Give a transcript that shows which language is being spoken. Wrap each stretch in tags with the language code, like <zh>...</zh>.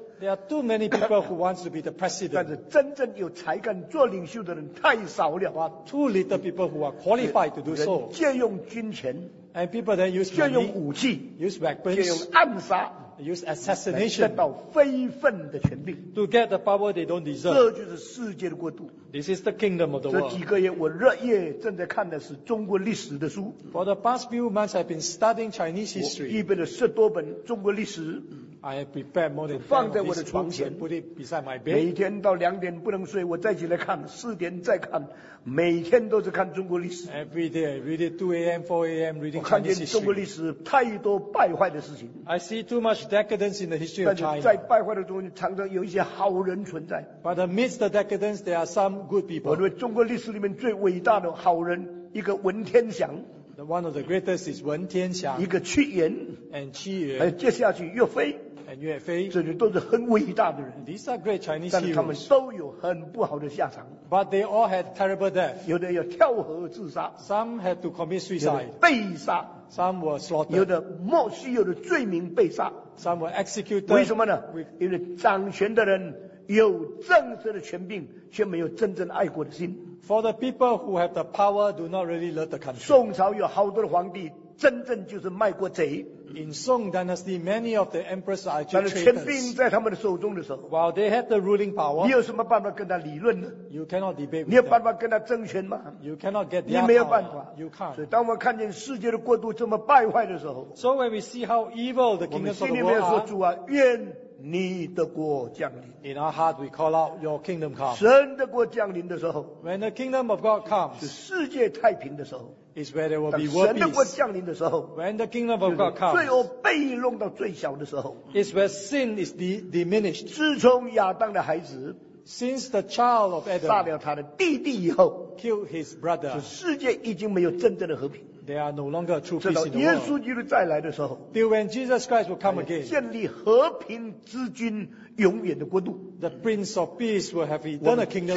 <en>There are too many people who want to be the president.</en> <zh>但是真正有才干做领袖的人太少了。</zh> <en>But too little people who are qualified to do so.</en> <zh>借用军权,</zh> <en>and people then use money,</en> <zh>借用武器,</zh> <en>use weapons,</en> <zh>借用暗杀,</zh> <en>use assassination,</en> <zh>得到非分的权利,</zh> <en>to get the power they don't deserve.</en> <zh>这就是世界的国度。</zh> <en>This is the kingdom of the world.</en> <zh>这几个月我热夜正在看的是中国历史的书。</zh> <en>For the past few months I've been studying Chinese history.</en> <zh>我预备了十多本中国历史。</zh> <en>I have prepared more than 10 of these books and put it beside my bed.</en> <zh>每天到2点不能睡, 我再起来看, 4点再看, 每天都是看中国历史。</zh> <en>Every day I read it 2 a.m., 4 a.m. reading Chinese history.</en> <zh>我看见中国历史太多败坏的事情。</zh> <en>I see too much decadence in the history of China.</en> <zh>但是在败坏的中间常常有一些好人存在。</zh> <en>But amidst the decadence there are some good people.</en> <zh>我认为中国历史里面最伟大的好人, 一个文天祥,</zh> <en>one of the greatest is 文天祥,</en> <zh>一个屈原,</zh> <en>and 屈原,</en> <zh>还有接下去岳飞,</zh> <en>and 岳飞,</en> <zh>这些都是很伟大的人,</zh> <en>these are great Chinese heroes,</en> <zh>但他们都有很不好的下场,</zh> <en>but they all had terrible death,</en> <zh>有的要跳河自杀,</zh> <en>some had to commit suicide,</en> <zh>被杀,</zh> <en>some were slaughtered,</en> <zh>有的莫须有的罪名被杀,</zh> <en>some were executed,</en> <zh>为什么呢? 因为掌权的人有正式的权柄, 却没有真正爱国的心,</zh> <en>for the people who have the power do not really love the country.</en> <zh>宋朝有好多的皇帝, 真正就是卖国贼,</zh> <en>in Song Dynasty many of the emperors are actually traitors.</en> <zh>权柄在他们的手中的时候,</zh> <en>while they had the ruling power,</en> <zh>你有什么办法跟他理论呢?</zh> <en>You cannot debate with</en> <zh>你有办法跟他争权吗?</zh> <en>You cannot get their</en> <zh>你没有办法,</zh> <en>you can't.</en> <zh>所以当我们看见世界的国度这么败坏的时候,</zh> <en>so when we see how evil the kingdoms of the world are,</en> <zh>愿 你的国降临,</zh> <en>in our heart we call out your kingdom come.</en> <zh>神的国降临的时候,</zh> <en>when the kingdom of God comes,</en> <zh>是世界太平的时候,</zh> <en>is where there will be world peace.</en> <zh>神的国降临的时候,</zh> <en>when the kingdom of God comes,</en> <zh>罪恶被弄到最小的时候,</zh> <en>is where sin is diminished.</en> <zh>自从亚当的孩子,</zh> <en>since the child of Adam</en> <zh>杀了他的弟弟以后,</zh> <en>killed his brother,</en> <zh>世界已经没有真正的和平,</zh> <en>there are no longer true peace in the world. Till when Jesus Christ will come again,</en> <zh>建立和平之君永远的国度,</zh> <en>the Prince of Peace will have eternal kingdom</en>